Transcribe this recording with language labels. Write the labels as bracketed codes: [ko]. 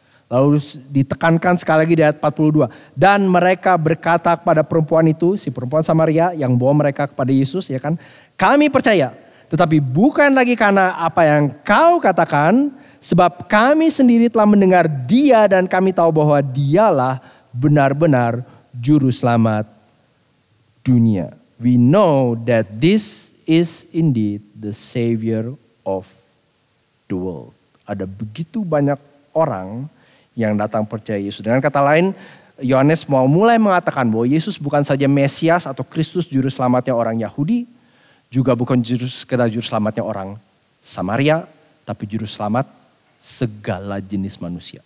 [id] Lalu ditekankan sekali lagi di ayat 42. Dan mereka berkata kepada perempuan itu, si perempuan Samaria yang bawa mereka kepada Yesus, ya kan. Kami percaya, tetapi bukan lagi karena apa yang kau katakan, sebab kami sendiri telah mendengar dia dan kami tahu bahwa dialah benar-benar juru selamat dunia. [en] We know that this is indeed the savior of the world. [id] Ada begitu banyak orang yang datang percaya Yesus. Dengan kata lain, Yohanes mau mulai mengatakan bahwa Yesus bukan saja Mesias atau Kristus juru selamatnya orang Yahudi, juga bukan sekedar juru selamatnya orang Samaria, tapi juru selamat segala jenis manusia.